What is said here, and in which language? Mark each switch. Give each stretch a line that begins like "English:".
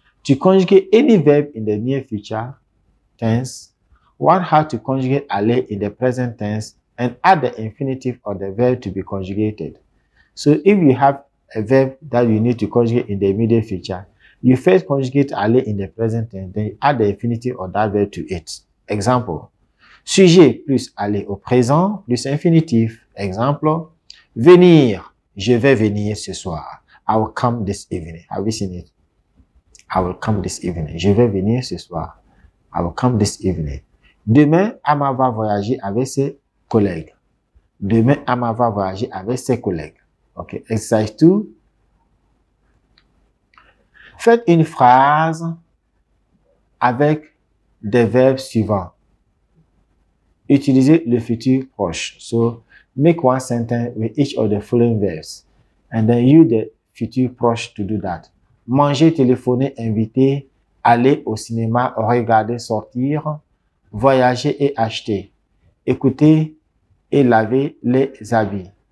English: To conjugate any verb in the near future tense, one has to conjugate aller in the present tense and add the infinitive of the verb to be conjugated. So if you have a verb that you need to conjugate in the immediate future, you first conjugate aller in the present tense, then you add the infinitive of that verb to it. Example,
French: sujet plus aller au présent plus infinitif.
English: Example,
French: venir, je vais venir ce soir.
English: I will come this evening. Have you seen it? I will come this evening.
French: Je vais venir ce soir.
English: I will come this evening.
French: Demain, Ama va voyager avec ses collègues. Demain, Ama va voyager avec ses collègues.
English: OK, exercise 2.
French: Faites une phrase avec des verbes suivants. Utilisez le futur proche.
English: So, make one sentence with each of the following verbs. And then use the futur proche to do that.
French: Manger, téléphoner, inviter, aller au cinéma, regarder, sortir, voyager et acheter, écouter et laver les habits.